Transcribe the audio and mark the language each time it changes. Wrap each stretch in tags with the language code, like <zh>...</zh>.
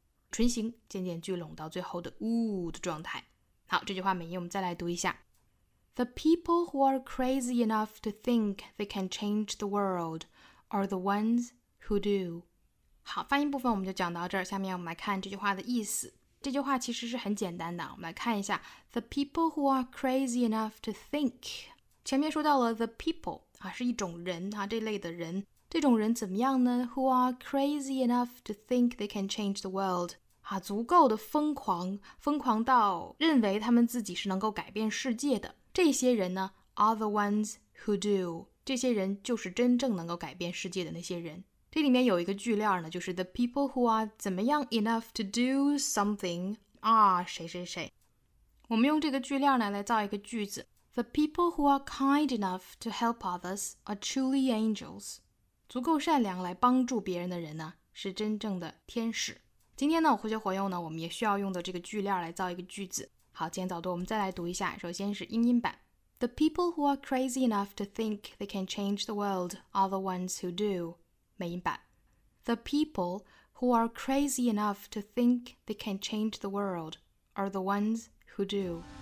<zh>唇形渐渐聚拢到最后的 o 的状态。好，这句话美音我们再来读一下。</zh> <en>The people who are crazy enough to think they can change the world are the ones who do.</en> <zh>好，发音部分我们就讲到这儿，下面我们来看这句话的意思。这句话其实是很简单的，我们来看一下。</zh> <en>The people who are crazy enough to think,</en> <zh>前面说到了</zh> <en>the people,</en> <zh>是一种人啊，这类的人。这种人怎么样呢？</zh> <en>Who are crazy enough to think they can change the world?</en> <zh>足够的疯狂，疯狂到认为他们自己是能够改变世界的。这些人呢</zh> <en>,are the ones who do.</en> <zh>这些人就是真正能够改变世界的那些人。这里面有一个句料呢，就是</zh> <en>the people who are</en> <zh>怎么样</zh> <en>enough to do something are</en> <zh>谁谁谁。我们用这个句量来造一个句子。</zh> <en>The people who are kind enough to help others are truly angels.</en> <zh>足够善良来帮助别人的人呢，是真正的天使。今天呢，活学活用呢，我们也需要用到这个句量来造一个句子。好，今天早读我们再来读一下，首先是英音版。</zh> <en>The people who are crazy enough to think they can change the world are the ones who do.</en> <zh>美音版。</zh> <en>The people who are crazy enough to think they can change the world are the ones who do.</en>